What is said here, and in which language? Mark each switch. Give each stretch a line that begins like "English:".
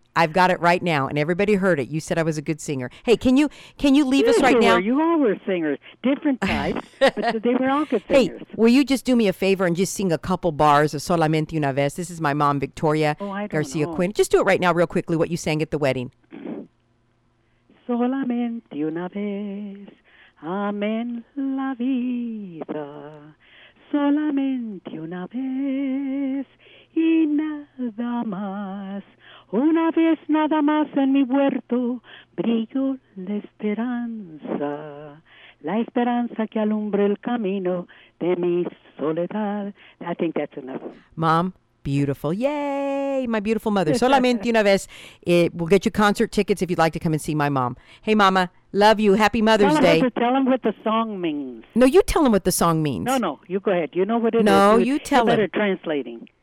English: I've got it right now, and everybody heard it. You said I was a good singer. Hey, can you leave yeah, us right now? You all were singers, different types, but they were all good singers. Hey, will you just do me a favor and just sing a couple bars of Solamente Una Vez? This is my mom, Victoria Garcia Quinn. Just do it right now real quickly, what you sang at the wedding.
Spanish: Solamente una vez, amén la vida. Solamente una vez y nada más. Una vez nada más en mi huerto brilló la esperanza. La esperanza que alumbra el camino de mi soledad.
English: I think that's enough. Mom, beautiful. Yay, my beautiful mother. Solamente una vez. We'll get you concert tickets if you'd like to come and see my mom. Hey, Mama, love you. Happy Mother's Day. Tell them what the song means. No, you tell them what the song means. No, you go ahead. You know what it is. No, you tell them. You're better translating.